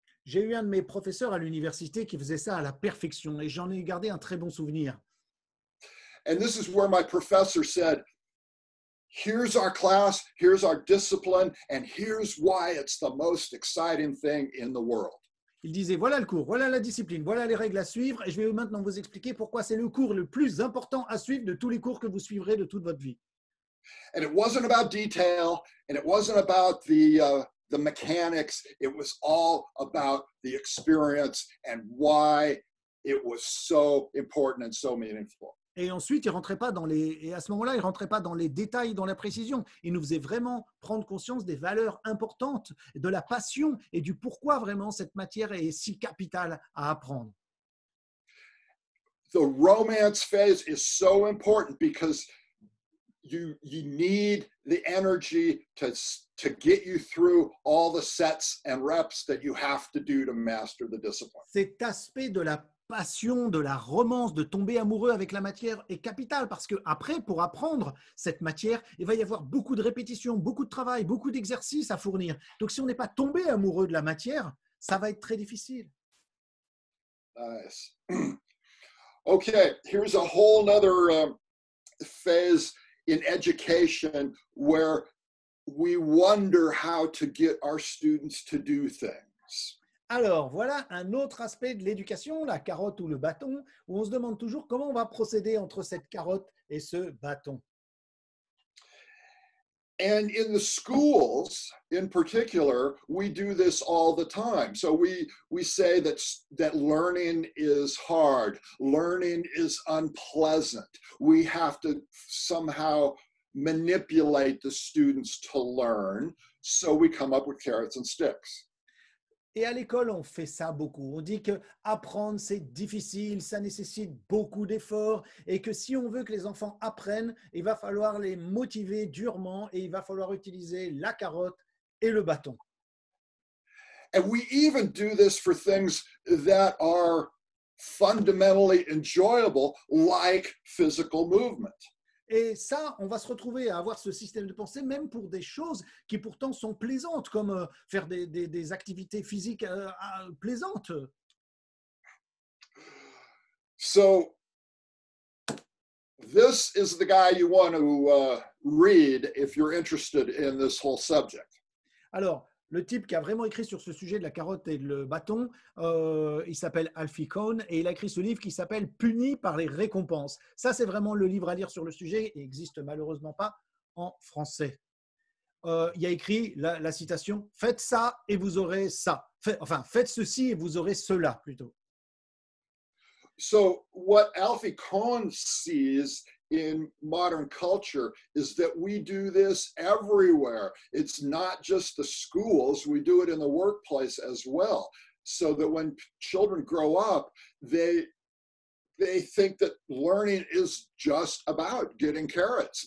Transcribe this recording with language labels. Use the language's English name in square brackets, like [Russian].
[French] J'ai eu un de mes professeurs à l'université qui faisait ça à la perfection et j'en ai gardé un très bon souvenir. [English] And this is where my professor said, here's our class, here's our discipline, and here's why it's the most exciting thing in the world. [French] Il disait, voilà le cours, voilà la discipline, voilà les règles à suivre, et je vais maintenant vous expliquer pourquoi c'est le cours le plus important à suivre de tous les cours que vous suivrez de toute votre vie. [English] And it wasn't about detail, and it wasn't about the mechanics, it was all about the experience and why it was so important and so meaningful. [French] Et ensuite, il rentrait pas dans les et à ce moment-là, il rentrait pas dans les détails, dans la précision, il nous faisait vraiment prendre conscience des valeurs importantes, de la passion et du pourquoi vraiment cette matière est si capitale à apprendre. [English] The romance phase is so important because you need the energy to get you through all the sets and reps that you have to do to master the discipline. [French] Cet aspect de la passion, de la romance, de tomber amoureux avec la matière est capital parce que après, pour apprendre cette matière, il va y avoir beaucoup de répétitions, beaucoup de travail, beaucoup d'exercices à fournir. Donc, si on n'est pas tombé amoureux de la matière, ça va être très difficile. [English] Nice. Okay, here's a whole other phase in education where we wonder how to get our students to do things. [French] Alors, voilà un autre aspect de l'éducation, la carotte ou le bâton, où on se demande toujours comment on va procéder entre cette carotte et ce bâton. [English] And in the schools, in particular, we do this all the time. So we say that learning is hard, learning is unpleasant. We have to somehow manipulate the students to learn, so we come up with carrots and sticks. [French] Et à l'école, on fait ça beaucoup. On dit que apprendre c'est difficile, ça nécessite beaucoup d'efforts, et que si on veut que les enfants apprennent, il va falloir les motiver durement, et il va falloir utiliser la carotte et le bâton. [English] And we even do this for things that are fundamentally enjoyable, like physical movement. [French] Et ça, on va se retrouver à avoir ce système de pensée même pour des choses qui pourtant sont plaisantes, comme faire des activités physiques plaisantes. [English] So, this is the guy you want to read if you're interested in this whole subject. [French] Alors, le type qui a vraiment écrit sur ce sujet de la carotte et le bâton, il s'appelle Alfie Cohn et il a écrit ce livre qui s'appelle « Puni par les récompenses ». Ça, c'est vraiment le livre à lire sur le sujet. Il n'existe malheureusement pas en français. Il a écrit la citation « Faites ça et vous aurez ça ». Enfin, « Faites ceci et vous aurez cela », plutôt. [English] So, what Alfie Cohn sees in modern culture is that we do this everywhere. It's not just the schools, we do it in the workplace as well, so that when children grow up, they think that learning is just about getting carrots.